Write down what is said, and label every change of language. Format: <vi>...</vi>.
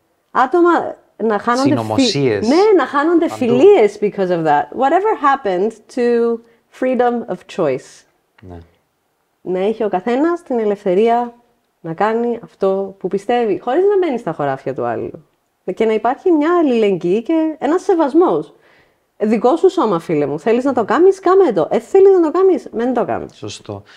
<el>Άτομα να χάνονται, να χάνονται φιλίες</el> <en>because of that. Whatever happened to freedom of choice.</en> <el>Να έχει ο καθένας την ελευθερία να κάνει αυτό που πιστεύει, χωρίς να μπαίνει στα χωράφια του άλλου. Και να υπάρχει μια αλληλεγγύη και ένας σεβασμός. Δικό σου σώμα, φίλε μου. Θέλεις να το κάνεις, κάμε το. Θέλεις να το κάνεις, μεν το κάνεις. Σωστό.</el>